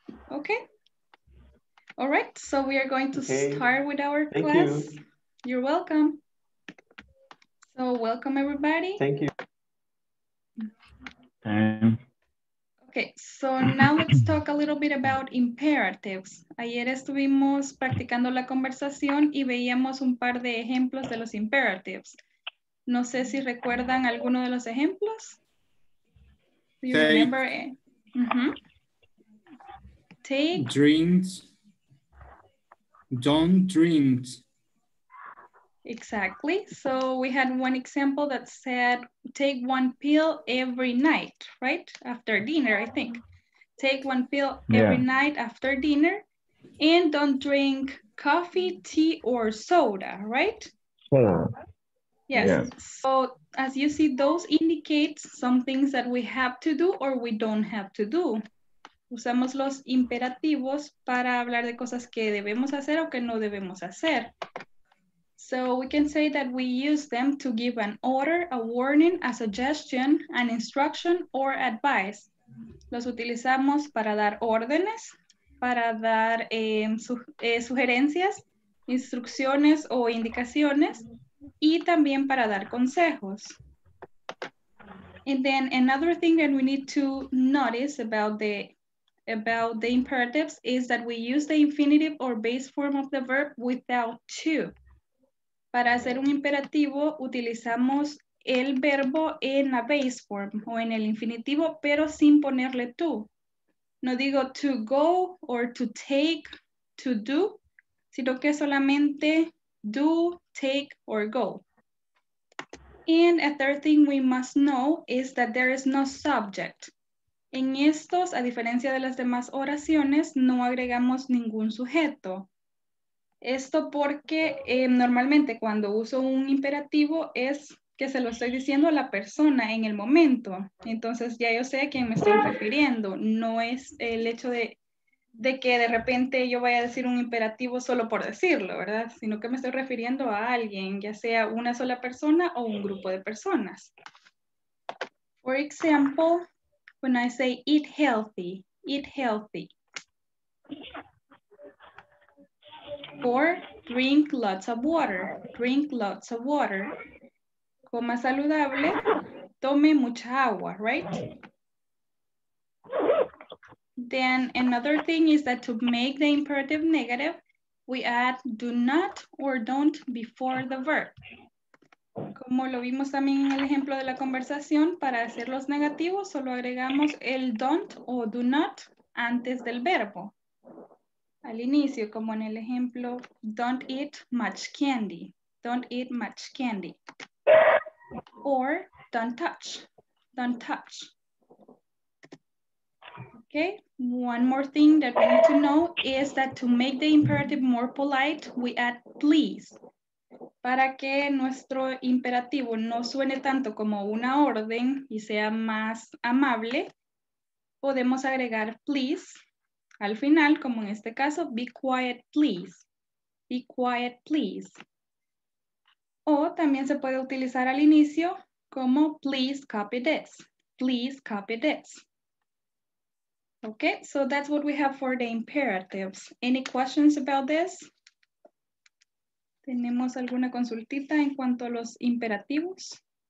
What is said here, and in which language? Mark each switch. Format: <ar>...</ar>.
<en>Ok, all right, so we are going to start with our Thank class. You. You're welcome. So welcome everybody. Thank you. Okay, so now let's talk a little bit about imperatives.</en> <es>Ayer estuvimos practicando la conversación y veíamos un par de ejemplos de los imperatives. No sé si recuerdan alguno de los ejemplos.</es> <en>Do you remember? Take. Drinks. don't drink. Exactly. So we had one example that said, take one pill every night, right? After dinner, I think. Take one pill every night after dinner and don't drink coffee, tea, or soda, right? Soda. Yes. So as you see, those indicate some things that we have to do or we don't have to do.</en> <es>Usamos los imperativos para hablar de cosas que debemos hacer o que no debemos hacer.</es> <en>So we can say that we use them to give an order, a warning, a suggestion, an instruction, or advice.</en> <es>Los utilizamos para dar órdenes, para dar sugerencias, instrucciones o indicaciones, y también para dar consejos.</es> <en>And then another thing that we need to notice about the imperatives is that we use the infinitive or base form of the verb without to.</en> <es>Para hacer un imperativo, utilizamos el verbo en la base form o en el infinitivo, pero sin ponerle to. No digo</es> <en>to go or to take, to do,</en> <es>sino que solamente</es> <en>do, take, or go. And a third thing we must know is that there is no subject.</en> <es>En estos, a diferencia de las demás oraciones, no agregamos ningún sujeto. Esto porque normalmente cuando uso un imperativo es que se lo estoy diciendo a la persona en el momento. Entonces ya yo sé a quién me estoy refiriendo. No es el hecho de que de repente yo vaya a decir un imperativo solo por decirlo, ¿verdad? Sino que me estoy refiriendo a alguien, ya sea una sola persona o un grupo de personas.</es> <en>For example, when I say eat healthy, eat healthy. Or drink lots of water, drink lots of water.</en> <es>Coma saludable, tome mucha agua,</es> <en>right? Then another thing is that to make the imperative negative, we add do not or don't before the verb.</en> <es>Como lo vimos también en el ejemplo de la conversación, para hacer los negativos solo agregamos el don't o do not antes del verbo. Al inicio, como en el ejemplo,</es> <en>don't eat much candy. Don't eat much candy. Or don't touch. Don't touch. Okay, one more thing that we need to know is that to make the imperative more polite, we add please.</en> <es>Para que nuestro imperativo no suene tanto como una orden y sea más amable, podemos agregar please. Al final, como en este caso,</es> <en>be quiet, please. Be quiet, please.</en> <es>O también se puede utilizar al inicio como</es> <en>please copy this. Please copy this. Okay, so that's what we have for the imperatives. Any questions about this?</en> <es>¿Tenemos alguna consultita en cuanto a los imperativos?</es>